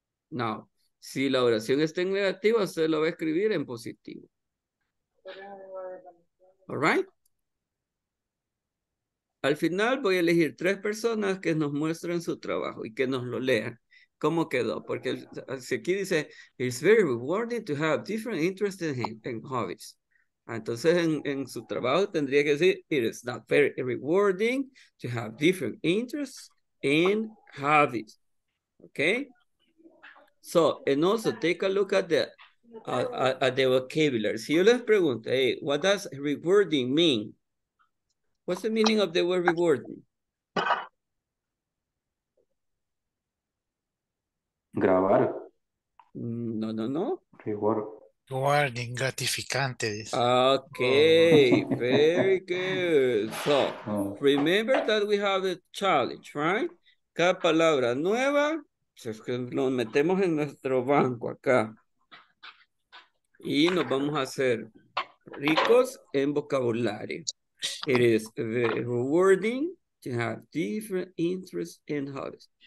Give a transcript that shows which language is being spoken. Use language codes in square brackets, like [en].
[es] Now, si la oración está en negativo, usted lo va a escribir en positivo. [en] All right? [es] Al final voy a elegir tres personas que nos muestren su trabajo y que nos lo lean. ¿Cómo quedó? Porque si aquí dice, [en] it's very rewarding to have different interests and hobbies. [es] Entonces en su trabajo tendría que decir, [en] it is not very rewarding to have different interests and hobbies. Okay? So, and also take a look at the vocabulary. [es] Si yo les pregunto, [en] hey, what does rewarding mean? What's the meaning of the word rewarding? [es] Grabar. No. Rewarding, gratificante. [en] Okay, very good. So, remember that we have a challenge, right? [es] Cada palabra nueva. Es que nos metemos en nuestro banco acá y nos vamos a hacer ricos en vocabulario. [en] It is very rewarding to have different interests and hobbies.